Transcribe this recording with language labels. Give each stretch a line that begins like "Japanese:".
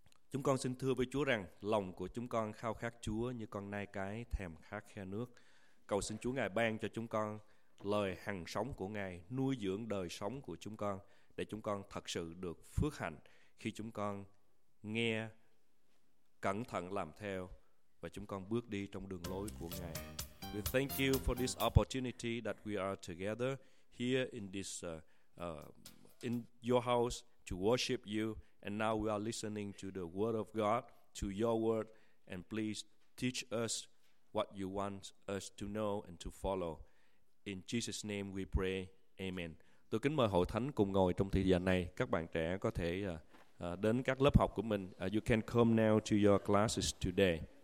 Vietnamese: Chúng con xin thưa với Chúa rằng lòng của chúng con khao khát Chúa như con nai cái thèm khát khe nước. Cầu xin Chúa Ngài ban cho chúng con lời hằng sống của Ngài, nuôi dưỡng đời sống của chúng con, để chúng con thật sự được phước hạnh khi chúng con nghe, cẩn thận làm theo và chúng con bước đi trong đường lối của Ngài.
English: We thank you for this opportunity that we are together here in this in your house to worship you, and now we are listening to the word of God, to your word, and please teach us what you want us to know and to follow. In Jesus' name we pray. Amen.
Vietnamese: Tôi kính mời hội thánh cùng ngồi trong thời gian này. Các bạn trẻ có thể đến các lớp học của mình.
English: You can come now to your classes today.